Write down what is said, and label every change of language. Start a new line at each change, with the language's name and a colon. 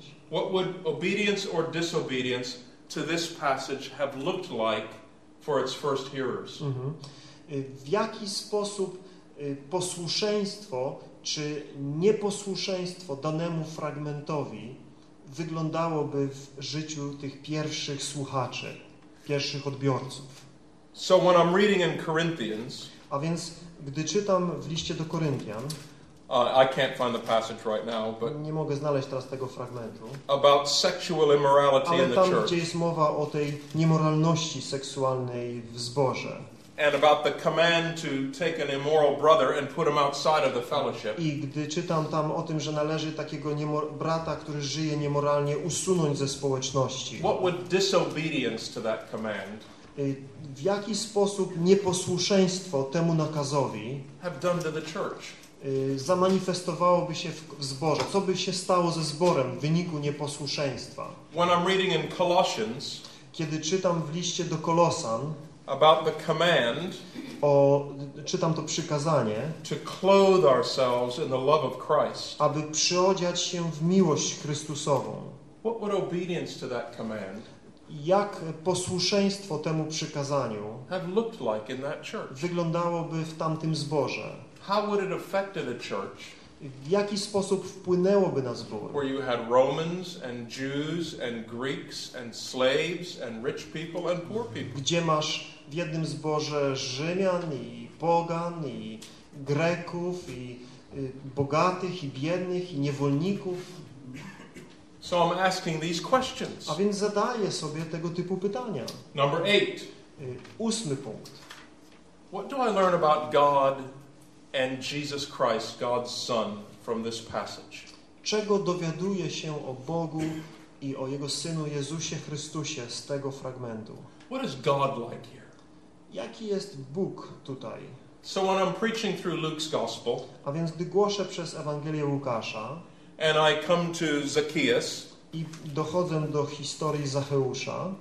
English: What would obedience or disobedience to this passage have looked like for its first hearers?
Polish: W jaki sposób posłuszeństwo czy nieposłuszeństwo danemu fragmentowi wyglądałoby w życiu tych pierwszych słuchaczy, pierwszych odbiorców?
English: So when I'm reading in Corinthians,
Polish: a więc gdy czytam w liście do Koryntian,
English: I can't find the passage right now, but
Polish: nie mogę znaleźć teraz tego fragmentu.
English: About sexual immorality
Polish: ale tam,
English: in the church.
Polish: Gdzie jest mowa o tej niemoralności seksualnej w zborze.
English: And about the command to take an immoral brother and put him outside of the fellowship.
Polish: I gdy czytam tam o tym, że należy takiego brata, który żyje niemoralnie, usunąć ze społeczności.
English: What would disobedience to that command?
Polish: W jaki sposób nieposłuszeństwo temu nakazowi
English: have done to the church?
Polish: Zamanifestowałoby się w zborze. Co by się stało ze zborem w wyniku nieposłuszeństwa?
English: When I'm reading in Colossians,
Polish: kiedy czytam w liście do Kolosan,
English: about the command,
Polish: czytam to przykazanie,
English: to clothe ourselves in the love of Christ,
Polish: aby przyodziać się w miłość Chrystusową.
English: What would obedience to that command
Polish: jak posłuszeństwo temu przykazaniu
English: have looked like in that church?
Polish: Wyglądałoby w tamtym zborze?
English: How would it affect the church?
Polish: W jaki sposób wpłynęłoby na zbór?
English: Where you had Romans and Jews and Greeks and slaves and rich people and poor people.
Polish: Gdzie masz w jednym zborze Rzymian i pogan i Greków i bogatych i biednych i niewolników?
English: So I'm asking these questions.
Polish: A więc zadaję sobie tego typu pytania.
English: Number 8.
Polish: Ósmy punkt.
English: What do I learn about God and Jesus Christ, God's Son, from this passage?
Polish: Czego dowiaduje się o Bogu i o Jego Synu Jezusie Chrystusie z tego fragmentu?
English: What is God like here?
Polish: Jaki jest Bóg tutaj?
English: So when I'm preaching through Luke's Gospel,
Polish: a więc gdy głoszę przez Ewangelię Łukasza,
English: and I come to Zacchaeus,
Polish: i dochodzę do historii Zacheusza,